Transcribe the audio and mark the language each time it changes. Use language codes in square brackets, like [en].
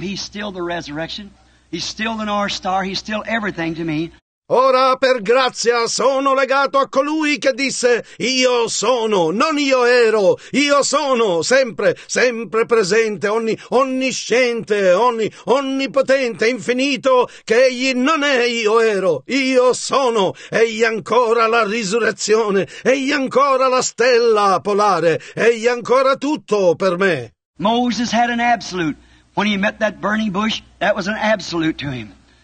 [en] He's still the resurrection. He's still the North Star. He's still everything to me. [it] Ora per grazia sono legato a colui che disse io sono, non io ero, io sono, sempre, sempre presente, onnisciente, onnipotente, infinito, che egli non è io ero, io sono, egli ancora la risurrezione, egli ancora la stella polare, egli ancora tutto per me. [en] Moses had an absolute. When he met that burning bush, that was an absolute to him.